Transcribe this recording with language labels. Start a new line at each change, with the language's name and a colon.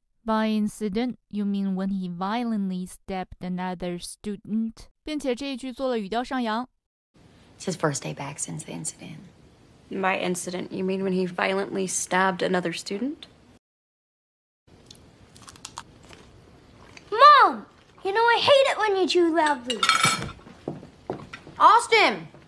English: By incident, you mean when he violently stabbed another student?
Chinese: 并且这一句做了语调上扬。
English: It's his first day back since the incident. By incident, you mean when he violently stabbed another student? Mom! You know I hate it when you chew loudly. Austin!